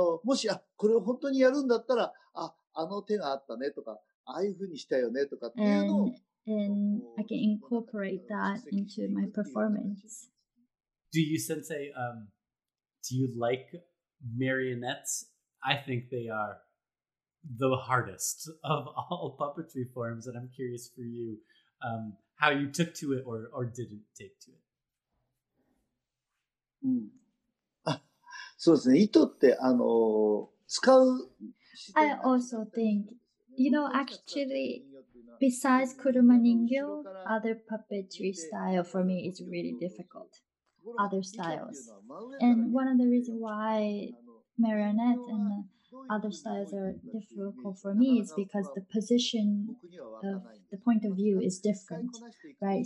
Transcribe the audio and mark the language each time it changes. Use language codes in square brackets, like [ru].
[ja] もし、これを本当にやるんだったら、あの手があったねとか、ああいうふうにしたよねとかっていうのを、 [en] And I can incorporate that into my performance. Do you, Sensei, do you like marionettes? I think they are the hardest of all puppetry forms, and I'm curious for you how you took to it or didn't take to it. [ja] そうですね。糸って、使う。 [en] I also think, you know, actually,Besides Kuruma Ningyo, other puppetry style for me is really difficult. Other styles. And one of the reasons why marionette and other styles are difficult for me is because the position of the point of view is different, right?